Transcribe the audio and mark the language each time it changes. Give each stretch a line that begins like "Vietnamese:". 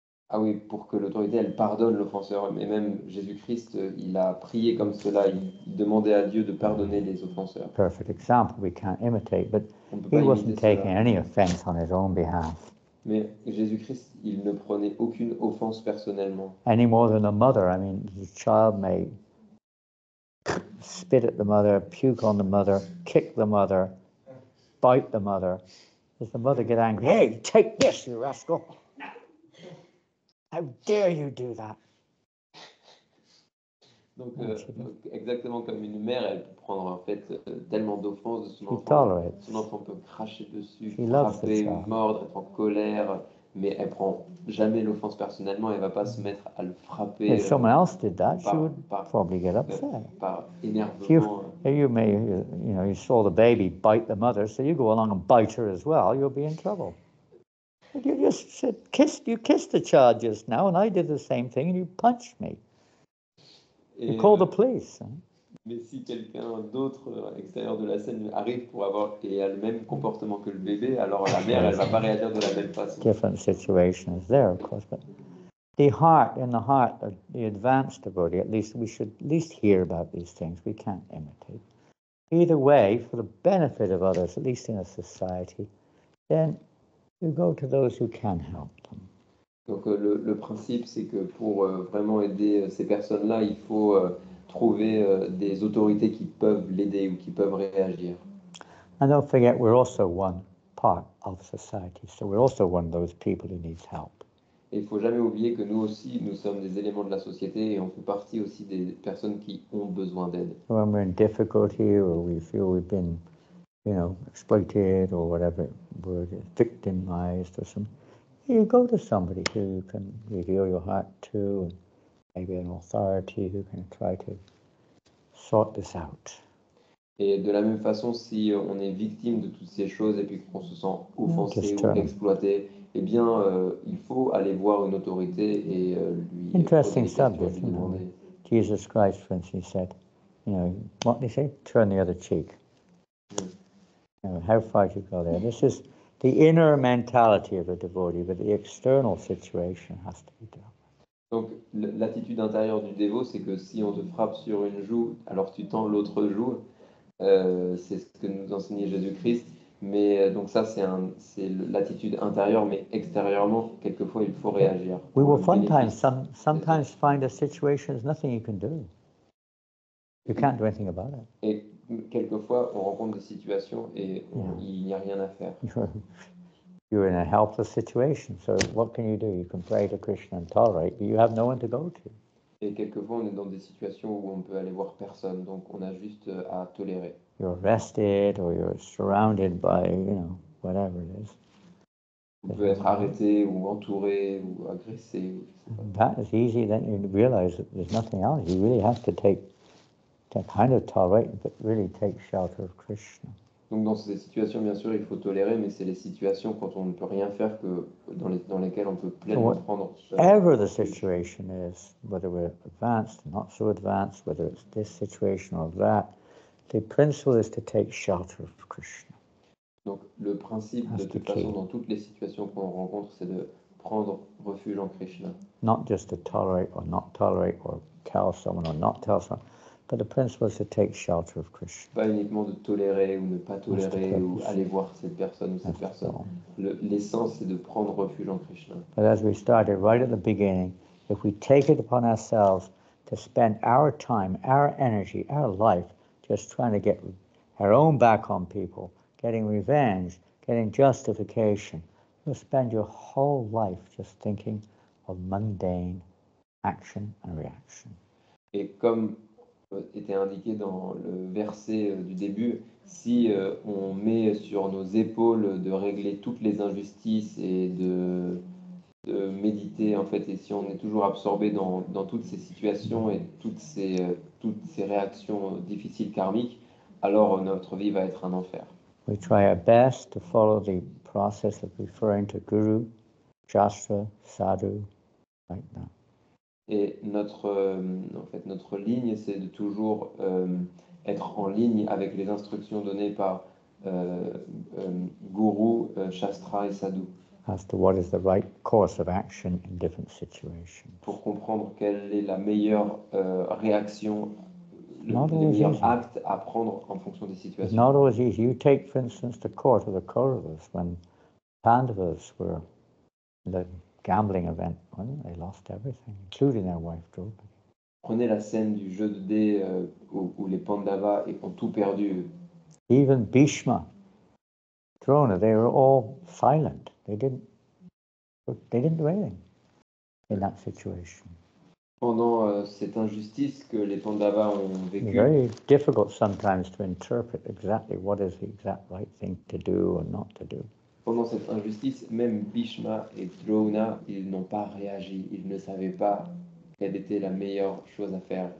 French: Ah oui, pour que l'autorité, elle pardonne l'offenseur. Et même Jésus-Christ, il a prié comme cela. Il demandait à Dieu de pardonner les offenseurs.
English: Perfect example, we can't imitate. But he wasn't taking any offense on his own behalf.
French: Mais Jésus-Christ, il ne prenait aucune offense personnellement.
English: Any more than a mother. I mean, the child may spit at the mother, puke on the mother, kick the mother, bite the mother. Does the mother get angry? Hey, take this, you rascal! How dare you do that?
French: Donc, exactement comme une mère, elle peut prendre en fait tellement d'offenses de son enfant.
English: She tolerates.
French: Son enfant peut cracher dessus, frapper, mordre, être en colère, mais elle prend jamais l'offense personnellement. Elle va pas se mettre à le frapper.
English: If someone else did that, she would probably get upset.
French: Par énervement.
English: You saw the baby bite the mother, so you go along and bite her as well. You'll be in trouble. You just said, you kissed the child just now, and I did the same thing, and you punched me. You called the police.
French: Mais si quelqu'un d'autre extérieur de la scène arrive pour avoir et a le même comportement que le bébé, alors la mère, elle va pas réagir de la même façon.
English: Different situations there, of course, but the heart, in the heart of the advanced devotee, at least we should at least hear about these things. We can't imitate. Either way, for the benefit of others, at least in a society, then you go to those who can help them.
French: Donc le principe, c'est que pour vraiment aider ces personnes-là, il faut trouver des autorités qui peuvent l'aider ou qui peuvent réagir.
English: And don't forget, we're also one part of society, so we're also one of those people who needs help.
French: Et il faut jamais oublier que nous aussi, nous sommes des éléments de la société et on fait partie aussi des personnes qui ont besoin d'aide.
English: When we're in difficulty or we feel we've been, you know, exploited or whatever word, victimized or something. You go to somebody who you can reveal your heart to, and maybe an authority who can try to sort this out.
French: Et de la même façon, si on est victime de toutes ces choses et puis qu'on se sent offensé ou exploité, eh bien, il faut aller voir une autorité et lui.
English: Interesting subject. You know, Jesus Christ, for instance, said, you know, what did he say? Turn the other cheek. Mm. You know, how far do you go there? This is the inner mentality of a devotee, but the external situation has to be dealt.
French: Donc, l'attitude intérieure du dévot, c'est que si on te frappe sur une joue, alors tu tends l'autre joue. C'est ce que nous enseignait Jésus-Christ. Mais donc ça, c'est l'attitude intérieure, mais extérieurement, quelquefois, il faut réagir.
English: We will sometimes find a situation. There's nothing you can do. You can't do anything about it.
French: Et quelquefois, on rencontre des situations et il n'y a rien à faire.
English: You're in a helpless situation, so what can you do? You can pray to Krishna and tolerate, but you have no one to go to.
French: Et quelquefois, on est dans des situations où on peut aller voir personne, donc on a juste à tolérer.
English: You're arrested or you're surrounded by, you know, whatever it is.
French: On peut être arrêté ou entouré ou agressé.
English: That is easy, then you realize that there's nothing else. You really have to take kind of tolerate, but really take shelter of Krishna.
French: Donc dans ces situations, bien sûr, il faut tolérer, mais c'est les situations quand on ne peut rien faire que dans lesquelles on peut pleinement prendre.
English: Whatever the situation is, whether we're advanced, not so advanced, whether it's this situation or that, the principle is to take shelter of Krishna.
French: Donc le principe de toute façon dans toutes les situations qu'on rencontre, c'est de prendre refuge en Krishna.
English: Not just to tolerate or not tolerate or tell someone or not tell someone. But the principle is to take shelter of Krishna.
French: Pas uniquement de tolérer ou ne pas tolérer ou aller voir cette personne ou cette personne. L'essence c'est de prendre refuge en Krishna.
English: But as we started right at the beginning, if we take it upon ourselves to spend our time, our energy, our life just trying to get our own back on people, getting revenge, getting justification, you'll spend your whole life just thinking of mundane action and reaction.
French: Et comme était indiqué dans le verset du début, si on met sur nos épaules de régler toutes les injustices et de méditer en fait, et si on est toujours absorbé dans toutes ces situations et toutes ces réactions difficiles karmiques, alors notre vie va être un enfer.
English: We try our best to follow the process of referring to guru, shastra, sadhu, like that.
French: Et notre ligne, c'est de toujours être en ligne avec les instructions données par Guru, Shastra et Sadhu.
English: As to what is the right course of action in different situations.
French: Pour comprendre quelle est la meilleure réaction, le meilleur acte à prendre en fonction des situations.
English: Not always easy. You take, for instance, the court of the Kauravas when Pandavas were living. Gambling event, well, they lost everything, including their wife Draupadi.
French: Prenez la scène du jeu de dés où les Pandavas ont tout perdu.
English: Even Bhishma, Drona, they were all silent. They didn't do anything in that situation.
French: Pendant cette injustice que les Pandavas ont vécu.
English: Very difficult sometimes to interpret exactly what is the exact right thing to do or not to do.
French: Pendant cette injustice, même Bhishma et Drona, ils n'ont pas réagi. Ils ne savaient pas quelle était la meilleure chose à faire.